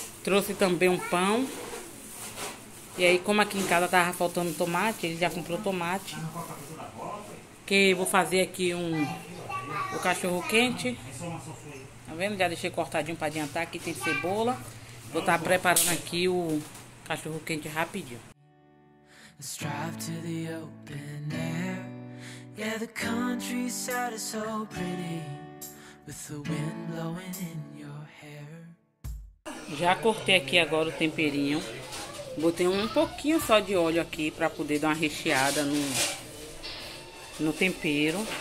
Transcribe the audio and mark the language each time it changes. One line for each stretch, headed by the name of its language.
Portuguese: Trouxe também um pão. E aí, como aqui em casa tava faltando tomate, ele já comprou tomate. Que eu vou fazer aqui o cachorro quente. Tá vendo? Já deixei cortadinho pra adiantar. Aqui tem cebola. Vou estar preparando aqui o cachorro quente rapidinho.
English: Strive to the open air. Yeah, the countryside is so pretty. With the wind blowing in your hair.
Portuguese: Já cortei aqui agora o temperinho. Botei um pouquinho só de óleo aqui pra poder dar uma recheada no tempero.